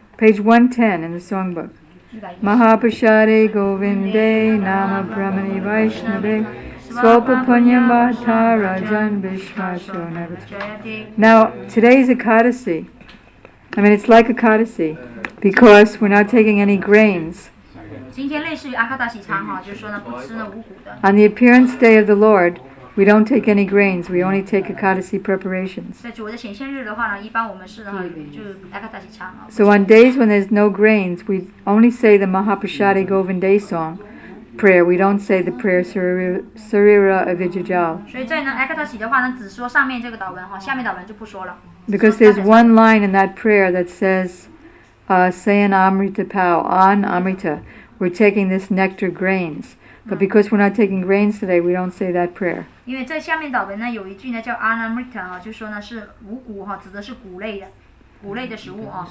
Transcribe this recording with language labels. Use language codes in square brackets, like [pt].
[en] Page 110 in the songbook. [sa] Mahaprasade Govinde Nama Brahmani Vaishnave Sopa Punya Vitarajan Vishmasho Navatar. [en] Now, today's Ekadasi. I mean, it's like Ekadasi because we're not taking any grains. [zh] 今天类似于阿卡达西餐哈，就是说呢，不吃呢五谷的。 [en] On the appearance day of the Lord, we don't take any grains. We only take Ekadasi preparations. [zh] 在主的显现日的话呢，一般我们是呢，就阿卡达西餐啊。 [en] So on days when there's no grains, we only say the Mahaprasade Govinde song prayer. We don't say the prayer Sarira Avijajal. [zh] 所以在呢阿卡达西的话呢，只说上面这个祷文哈，下面祷文就不说了。 [en] Because there's one line in that prayer that says, "Sayan Amrita Pau on Amrita." We're taking this nectar grains, but because we're not taking grains today, we don't say that prayer. [zh] 因为在下面祷文呢，有一句呢叫 Anamrita 啊，就说呢是五谷哈，指的是谷类的，谷类的食物啊。